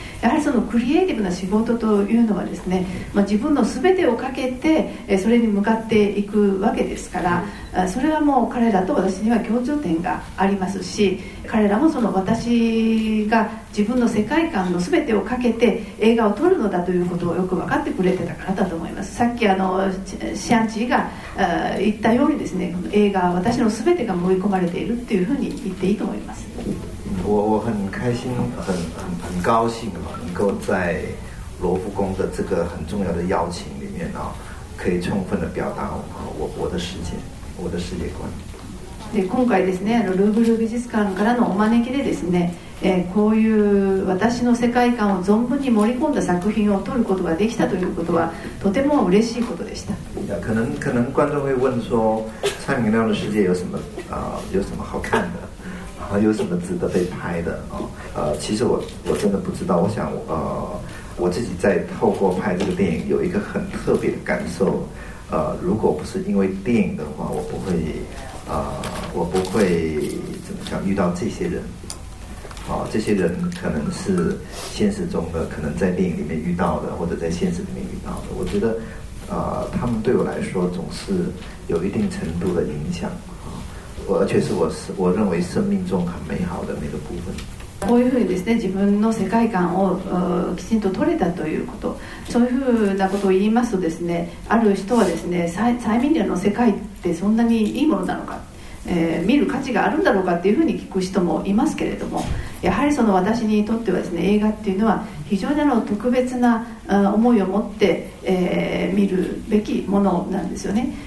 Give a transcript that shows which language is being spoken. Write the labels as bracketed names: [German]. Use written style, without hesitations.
[Japanese] やはりそのクリエイティブな仕事というのはですね、まあ、自分の全てをかけてそれに向かっていくわけですから、それはもう彼らと私には共通点がありますし、彼らもその私が自分の世界観の全てをかけて映画を撮るのだということをよく分かってくれてたからだと思います。さっきシアンチーが言ったようにですね、映画は私の全てが盛り込まれているっていうふうに言っていいと思います。 [Chinese] 我很开心 很高兴能够在罗浮宫的这个很重要的邀请里面可以充分的表达 我的世界观。 [Japanese] で今回ですね、ルーブル美術館からのお招きでですね、こういう私の世界観を存分に盛り込んだ作品を撮ることができたということはとても嬉しいことでした。い [Chinese] や、可能观众会问说，蔡明亮的世界有什么有什么好看的，有什么值得被拍的其实我真的不知道。我想我自己在透过拍这个电影有一个很特别的感受如果不是因为电影的话，我不会。我不会怎么讲遇到这些人这些人可能是现实中的，可能在电影里面遇到的，或者在现实里面遇到的。我觉得他们对我来说总是有一定程度的影响而且是我认为生命中很美好的那个部分。 [Japanese] こういうふうにですね、自分の世界観をきちんと取れたということ、そういうふうなことを言いますとですね、ある人はですね、催眠療の世界ってそんなにいいものなのか、見る価値があるんだろうかっていうふうに聞く人もいますけれども、やはりその私にとってはですね、映画っていうのは非常に特別な思いを持って、見るべきものなんですよね。